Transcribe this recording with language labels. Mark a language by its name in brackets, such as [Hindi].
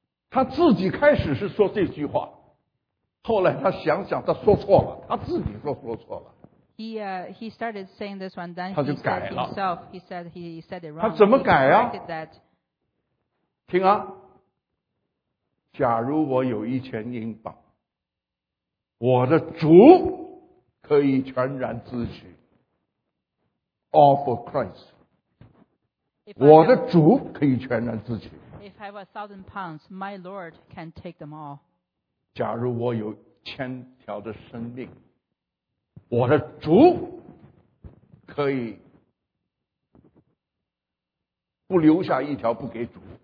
[Chinese] 他自己开始是说这句话，后来他想想，他说错了，他自己说错了。 [English] He started saying this one, then he said himself, he said it wrong. [Chinese] 他怎么改啊？ [English] That, [Chinese] 听啊，假如我有一千英镑，我的主可以全然自取。 [English] of Christ. [Chinese] 我的主可以全然自取。 [English] If I have a thousand pounds, my Lord can take them all. [Chinese] 假如我有千条的生命，我的主可以不留下一条不给主。